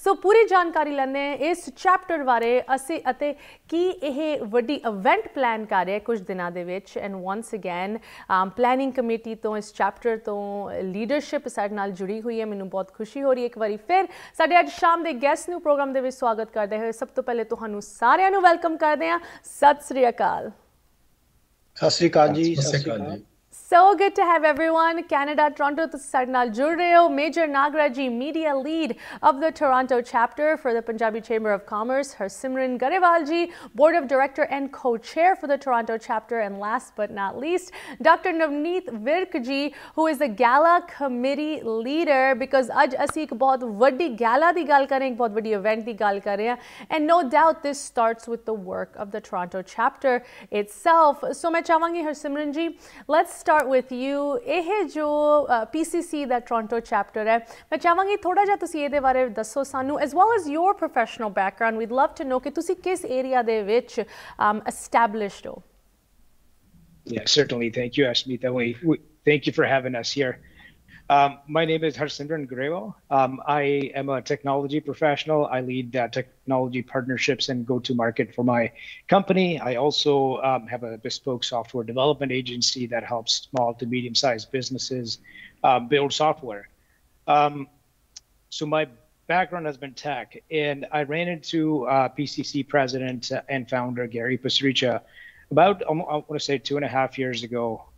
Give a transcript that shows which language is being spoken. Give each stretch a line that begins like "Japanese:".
Punjabi: ਸੋ ਪੂਰੀ ਜਾਣਕਾਰੀ ਲੈਂਦੇ ਹਾਂ ਇਸ ਚੈਪਟਰ ਬਾਰੇ ਅਸੀਂ ਅਤੇ ਕੀ ਇਹ ਵੱਡੀ ਇਵੈਂਟ ਪਲੈਨ ਕਰ ਰਿਹਾ ਕੁਝ ਦਿਨਾਂ ਦੇ ਵਿੱਚ।
English: and once again
Punjabi: ਪਲੈਨਿੰਗ ਕਮੇਟੀ ਤੋਂ, ਇਸ ਚੈਪਟਰ ਤੋਂ ਲੀਡਰਸ਼ਿਪ ਸਾਡੇ ਨਾਲ ਜੁੜੀ ਹੋਈ ਹੈ, ਮੈਨੂੰ ਬਹੁਤ ਖੁਸ਼ੀ ਹੋ ਰਹੀ ਹੈ। ਇੱਕ ਵਾਰੀ ਫਿਰ ਸਾਡੇ ਅੱਜ ਸ਼ਾਮ ਦੇ ਗੈਸਟ ਨੂੰ ਪ੍ਰੋਗਰਾਮ ਦੇ ਵਿੱਚ ਸਵਾਗਤ ਕਰਦੇ ਹੋਏ, ਸਭ ਤੋਂ ਪਹਿਲੇ ਤੁਹਾਨੂੰ ਸਾਰਿਆਂ ਨੂੰ ਵੈਲਕਮ ਕਰਦੇ ਹਾਂ। ਸਤਿ ਸ੍ਰੀ ਅਕਾਲ। ਸਤਿ ਸ੍ਰੀ ਅਕਾਲ ਜੀ। ਸਤਿ ਸ੍ਰੀ ਅਕਾਲ ਜੀ।
English: So good to have everyone. Canada, Toronto, this is Sadna Jurreo, Major Nagraji, Media Lead of the Toronto Chapter for the Punjabi Chamber of Commerce, Harsimran Garewalji, Board of Director and Co-Chair for the Toronto Chapter, and last but not least, Dr. Navneet Virkji, who is the Gala Committee Leader, because
Punjabi: aaj asi ek bahut vaddi gala di gal kar rahe hain,
English: ek bahut vaddi event di gal kar rahe hain, and no doubt this starts with the work of the Toronto Chapter itself. So
Punjabi: main chahwangi
English: Harsimran ji, let's start with you.
Punjabi: ਇਹ ਜੋ PCC ਦਾ Toronto chapter ਹੈ, ਮੈਂ ਚਾਹਾਂਗੀ ਥੋੜ੍ਹਾ ਜਿਹਾ ਤੁਸੀਂ ਇਹਦੇ ਬਾਰੇ ਦੱਸੋ ਸਾਨੂੰ,
English: As well as your professional background. We love to know
Punjabi: ਕਿ ਤੁਸੀਂ ਕਿਸ ਏਰੀਆ ਦੇ ਵਿੱਚ ਐਸਟੈਬਲਿਸ਼ਡ ਹੋ।
English: Yes, certainly, thank you Ashmita, thank you for having us here. My name is Harsimran Garewal. I am a technology professional. I lead technology partnerships and go-to-market for my company. I also have a bespoke software development agency that helps small to medium-sized businesses build software. So my background has been tech, and I ran into PCC president and founder Gary Pasricha about, I want to say, 2.5 years ago.